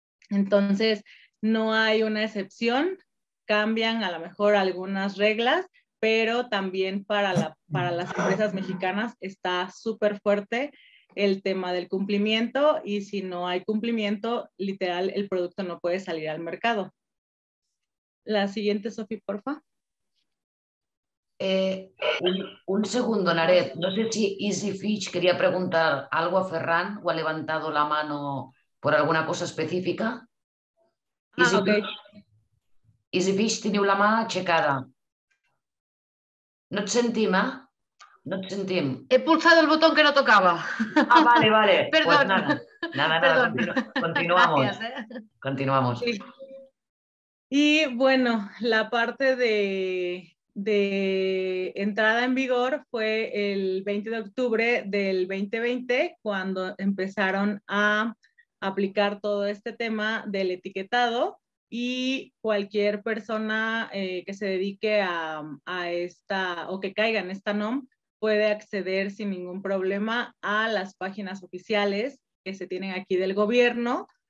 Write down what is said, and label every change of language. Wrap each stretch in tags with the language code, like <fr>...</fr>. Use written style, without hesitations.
<es>Entonces, no hay una excepción, cambian a lo mejor algunas reglas, pero también para las empresas mexicanas está súper fuerte el tema del cumplimiento y si no hay cumplimiento, literal, el producto no puede salir al mercado. La siguiente, Sofía, porfa. Un segundo, Naret. No sé si Easy Fish quería preguntar algo a Ferran o ha levantado la mano por alguna cosa específica. Easy Fish.</es> <ca>Easy Fish, teniu la mà aixecada. No et sentim, eh? No et sentim.</ca> <es>He pulsado</es> <ca>el botó que no tocava.</ca> <es>Ah, vale. Perdón. Pues nada. Continuamos. Gracias, Continuamos. Sí. Y bueno, la parte de entrada en vigor fue el 20 de octubre del 2020, cuando empezaron a aplicar todo este tema del etiquetado y cualquier persona que se dedique a esta o que caiga en esta NOM puede acceder sin ningún problema a las páginas oficiales que se tienen aquí del gobierno,</es>